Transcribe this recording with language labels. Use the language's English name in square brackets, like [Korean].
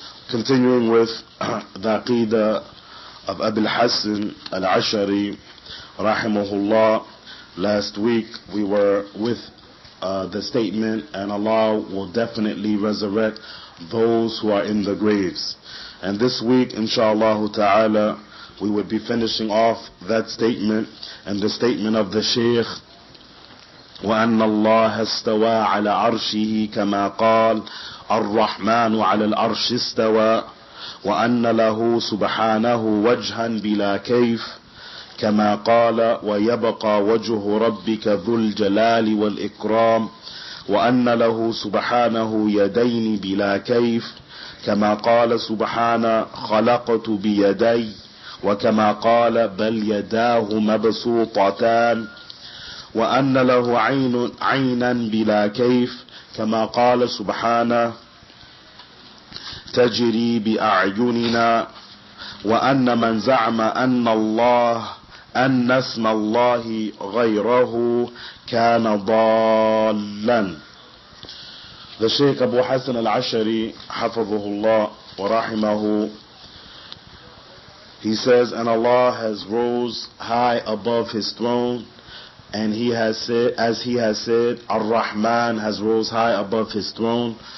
[English] Continuing with the Aqidah of Abu al-Hassan al-Ash'ari rahimahullah, last week we were with the statement, and Allah will definitely resurrect those who are in the graves. And this week, inshallah ta'ala, we would be finishing off that statement and the statement of the Shaykh, [Arabic] وَأَنَّ اللَّهَ اسْتَوَى عَلَى عَرْشِهِ كَمَا قَالَ الرحمن على الأرش استوى وأن له سبحانه وجها بلا كيف كما قال ويبقى وجه ربك ذو الجلال والإكرام وأن له سبحانه يدين بلا كيف كما قال سبحان خلقت بيدي وكما قال بل يداه مبسوطتان وأن له عينا بلا كيف كما قال سبحانه تجري بأعيننا وأن من زعم أن الله أن اسم الله غيره كان ضالا. [English] The Shaykh Abu Hassan al-Ash'ari [Arabic] حفظه الله ورحمه, [English] he says, and Allah has rose high above His throne, and He has said, as He has said, Ar-Rahman has rose high above His throne.